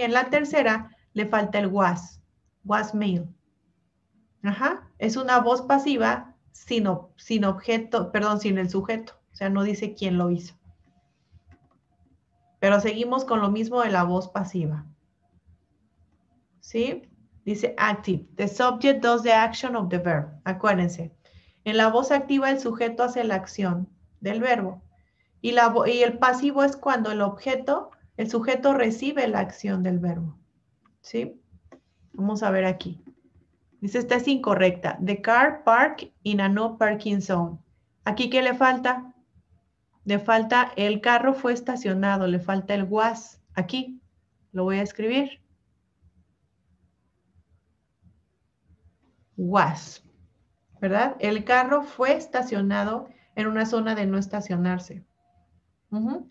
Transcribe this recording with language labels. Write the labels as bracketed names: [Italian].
[Spanish] En la tercera le falta el was mail. Ajá, es una voz pasiva sin objeto, perdón, sin el sujeto. O sea, no dice quién lo hizo. Pero seguimos con lo mismo de la voz pasiva. ¿Sí? Dice active. [English] The subject does the action of the verb. [Spanish] Acuérdense. En la voz activa, el sujeto hace la acción del verbo. Y el pasivo es cuando el sujeto recibe la acción del verbo. ¿Sí? Vamos a ver aquí. Dice, esta es incorrecta. [English] The car park in a no parking zone. [Spanish] ¿Aquí qué le falta? Le falta, el carro fue estacionado, le falta el was. Aquí, lo voy a escribir. Was, ¿verdad? El carro fue estacionado en una zona de no estacionarse. Uh-huh.